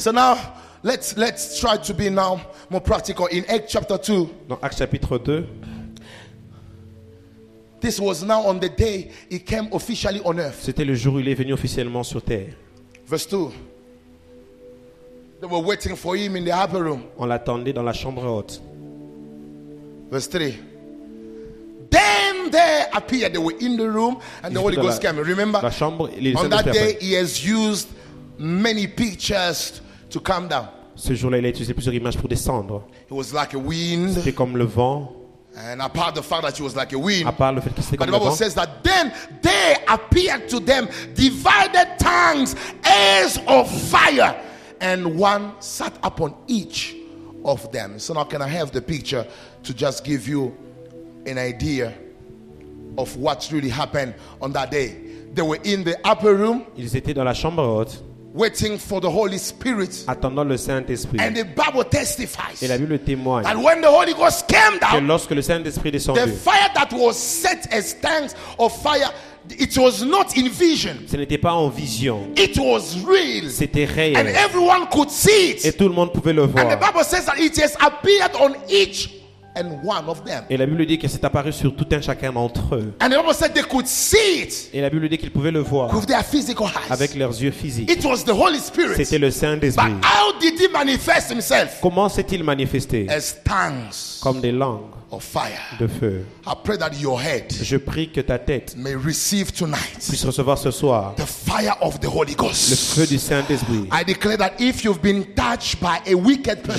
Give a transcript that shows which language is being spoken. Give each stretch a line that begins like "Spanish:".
English: So now, let's try to be now more practical. In Acts chapter 2,
French: dans Actes chapitre 2,
English: this was now on the day he came officially on earth.
French: C'était le jour où il est venu officiellement sur terre.
English: Verse 2. They were waiting for him in the upper room.
French: On l'attendait dans la chambre haute.
English: Verse 3. Then there appeared, they were in the room and the Holy Ghost came. Remember,
French: la chambre,
English: on that day he has used many pictures to calm down.
French: Ce jour-là, il a utilisé plusieurs images pour descendre.
English: It was like a wind.
French: C'était comme le vent.
English: And apart the fact that he was like a wind,
French: apart le fait qu'il
English: but the Bible
French: vent,
English: says that then they appeared to them divided tongues as of fire, and one sat upon each of them. So now, can I have the picture to just give you an idea of what really happened on that day? They were in the upper room.
French: Ils étaient dans la chambre haute.
English: Waiting for the Holy Spirit.
French: Attendant le Saint-Esprit.
English: And the Bible testifies.
French: Et la Bible témoigne.
English: And when the Holy Ghost came down.
French: Que lorsque le Saint-Esprit descendit.
English: The fire that was set as tongues of fire. It was not in vision.
French: Ce n'était pas en vision.
English: It was real.
French: C'était réel.
English: And everyone could see it.
French: Et tout le monde pouvait le voir.
English: And the Bible says that it has appeared on each and one of them.
French: Et la Bible dit que c'est apparu sur tout un chacun d'entre eux.
English: And the Bible said they could see it.
French: Et la Bible dit qu'ils pouvaient le voir.
English: With their physical eyes.
French: Avec leurs yeux physiques.
English: It was the Holy Spirit.
French: C'était le Saint-Esprit.
English: But how did he manifest himself?
French: Comment s'est-il manifesté?
English: As tongues.
French: Comme des langues.
English: Of fire.
French: De feu.
English: I pray that your head.
French: Je prie que ta tête.
English: May receive tonight.
French: Puisse recevoir ce soir.
English: The fire of the Holy Ghost.
French: Le feu du Saint-Esprit.
English: I declare that if you've been touched by a wicked person.